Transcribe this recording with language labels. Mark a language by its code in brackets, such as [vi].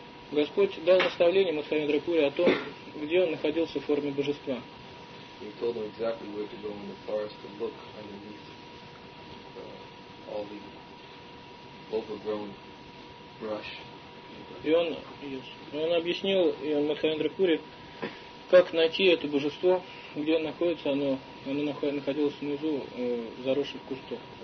[ru] Господь дал наставление Мадхава Чандрапури о том, где он находился в форме божества. [en] He told him exactly where to go in the forest to look underneath all the overgrown brush. [ru] И он объяснил Мадхава Чандрапури, как найти это божество, где оно находится, оно находилось внизу заросших кустов.